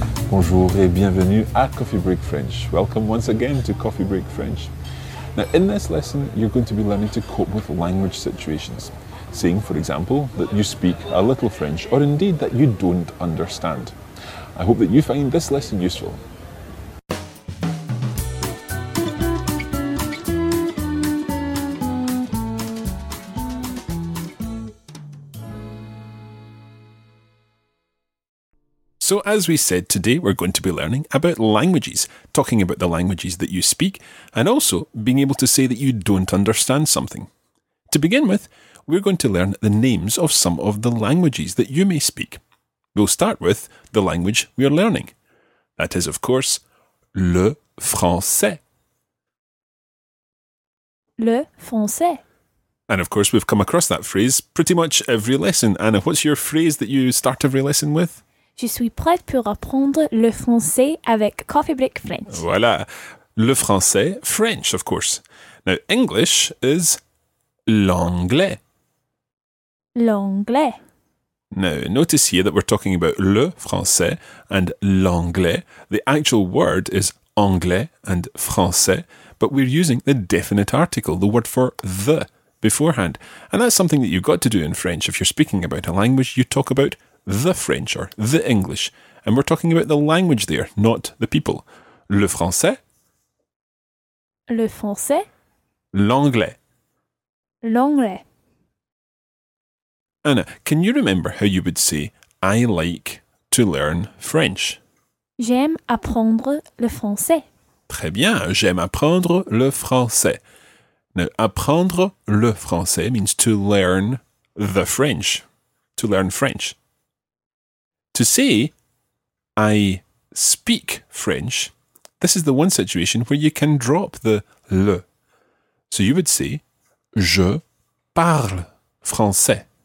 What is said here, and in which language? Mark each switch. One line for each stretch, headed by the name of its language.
French: Bonjour et bienvenue à Coffee Break French.
English: Welcome once again to Coffee Break French. Now, in this lesson, you're going to be learning to cope with language situations, saying, for example, that you speak a little French, or indeed that you don't understand. I hope that you find this lesson useful. So as we said, today we're going to be learning about languages, talking about the languages that you speak, and also being able to say that you don't understand something. To begin with, we're going to learn the names of some of the languages that you may speak. We'll start with the language we are learning. That is, of course, le français.
French: Le français.
English: And of course, we've come across that phrase pretty much every lesson. Anna, what's your phrase that you start every lesson with?
French: Je suis prête pour apprendre le français avec Coffee Break French. Voilà. Le français,
English: French, of course. Now, English is l'anglais.
French: L'anglais.
English: Now, notice here that we're talking about le français and l'anglais. The actual word is anglais and français, but we're using the definite article, the word for the, beforehand. And that's something that you've got to do in French. If you're speaking about a language, you talk about the French or the English. And we're talking about the language there, not the people.
French: Le français. Le français. L'anglais. L'anglais.
English: Anna, can you remember how you would say, I like to learn French?
French: J'aime apprendre le français. Très bien, j'aime apprendre le français.
English: Now,
French: apprendre le français
English: means to learn the French, to learn French. To say, I speak French, this is the one situation where you can drop the le. So you would say,
French: je parle français.